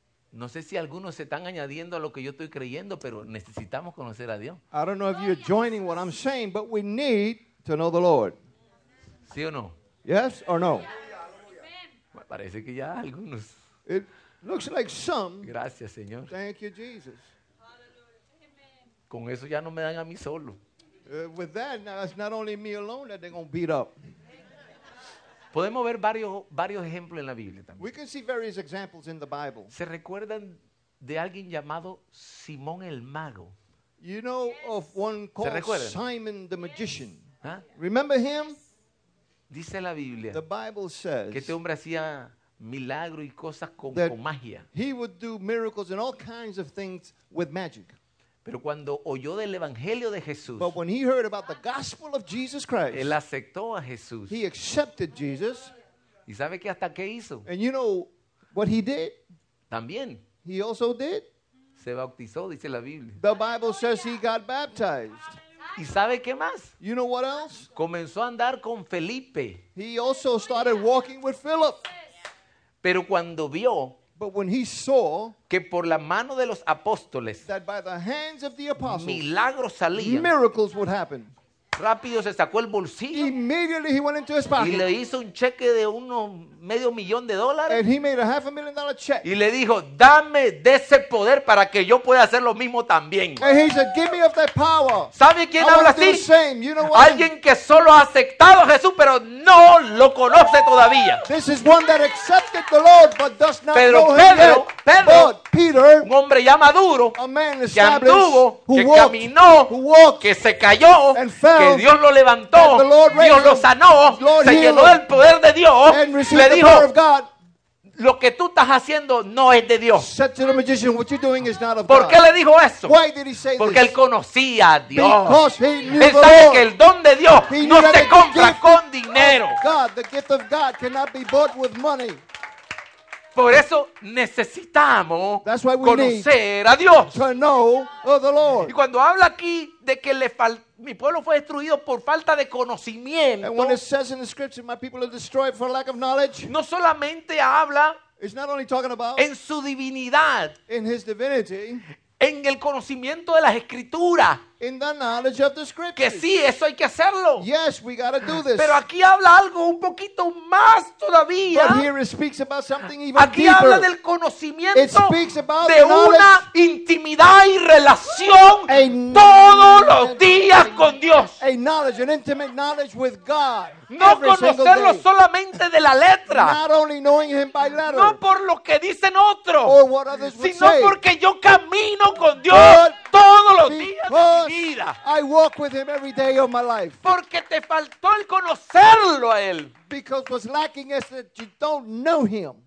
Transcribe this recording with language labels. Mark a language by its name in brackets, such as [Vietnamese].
[Spanish] No sé si algunos se están añadiendo a lo que yo estoy creyendo, pero necesitamos conocer a Dios. [English] I don't know if you're joining what I'm saying, but we need to know the Lord. [Spanish] ¿Sí o no? [English] Yes or no? [Spanish] Bueno, parece que ya algunos. [English] It looks like some. [Spanish] Gracias, Señor. [English] Thank you, Jesus. [Spanish] Con eso ya no me dan a mí solo. [English] With that, now it's not only me alone that they're going to beat up. [Spanish] Podemos ver varios ejemplos en la Biblia también. [English] We can see various examples in the Bible. [Spanish] ¿Se recuerdan de alguien llamado Simón el Mago? [English] You know of one called Simon the Magician. [Spanish] ¿Ah? [English] Remember him? [Spanish] Dice la Biblia. [English] The Bible says [Spanish] que este hombre hacía milagros y cosas con magia. [English] He would do miracles and all kinds of things with magic. [Spanish] Pero cuando oyó del Evangelio de Jesús, [English] but when he heard about the gospel of Jesus Christ, [Spanish] él aceptó a Jesús. [English] He accepted Jesus. [Spanish] ¿Y sabe qué hasta qué hizo? [English] And you know what he did? [Spanish] También. [English] He also did. [Spanish] Se bautizó, dice la Biblia. [English] The Bible says he got baptized. [Spanish] ¿Y sabe qué más? [English] You know what else? [Spanish] Comenzó a andar con Felipe. [English] He also started walking with Philip. [Spanish] Pero cuando vio, [English] but when he saw [Spanish] que por la mano de los apóstoles, [English] that by the hands of the apostles [Spanish] milagros salían, [English] miracles would happen, [Spanish] rápido se sacó el bolsillo, [English] immediately he went into his pocket, [Spanish] y le hizo un cheque de unos medio millón de dólares, [English] and he made a half a million dollar check, [Spanish] y le dijo, dame de ese poder para que yo pueda hacer lo mismo también. [English] And he said, give me of that power. [Spanish] ¿Sabe quién [English] I [Spanish] habla así? [English] The same. You know what? [Spanish] Alguien que solo ha aceptado a Jesús pero no lo conoce todavía. [English] This is one that accepted the Lord but does not [Spanish] Pedro, [English] know him [Spanish] Pedro, [English] yet. [Spanish] Pedro, [English] but Peter, [Spanish] un hombre ya maduro, [English] a man [Spanish] que anduvo, [English] who [Spanish] que [English] walked, [Spanish] caminó, [English] who walked, [Spanish] que se cayó, [English] and fell, [Spanish] que Dios lo levantó, Dios lo sanó, [English] Lord [Spanish] se llenó del poder de Dios, [English] and received [Spanish] le dijo, [English] the power of God. [Spanish] Lo que tú estás haciendo no es de Dios. [English] Said to the magician, what you're doing is not of God. [Spanish] ¿Por qué le dijo eso? [English] Why did he say [Spanish] porque [English] this? [Spanish] Él conocía a Dios. [English] Because he knew [Spanish] él sabe [English] the Lord. [Spanish] Que el don de Dios no se compra con dinero. [English] The gift of God cannot be bought with money. [Spanish] Por eso necesitamos conocer a Dios. [English] To know of the Lord. [Spanish] Y cuando habla aquí de que le mi pueblo fue destruido por falta de conocimiento, [English] and when it says in the scripture my people are destroyed for lack of knowledge, [Spanish] no solamente habla, [English] it's not only talking about, [Spanish] en su divinidad, [English] in his divinity, [Spanish] en el conocimiento de las escrituras, [English] in the knowledge of the scriptures, [Spanish] que sí, eso hay que hacerlo. [English] Yes, we gotta do this. [Spanish] Pero aquí habla algo un poquito más todavía. [English] But here it speaks about something even [Spanish] aquí [English] deeper. [Spanish] Habla del conocimiento, [English] it speaks about [Spanish] de una intimidad y relación todos los días con Dios. [English] A knowledge, an intimate knowledge with God. [Spanish] No conocerlo solamente de la letra. [English] Not only knowing him by letter, [Spanish] no por lo que dicen otros. [English] Or what others [Spanish] sino [English] would say, [Spanish] porque yo camino con Dios todos los días de mi vida. [English] I walk with him every day of my life. [Spanish] Porque te faltó el conocerlo a él. [English] Because what's lacking is that you don't know him.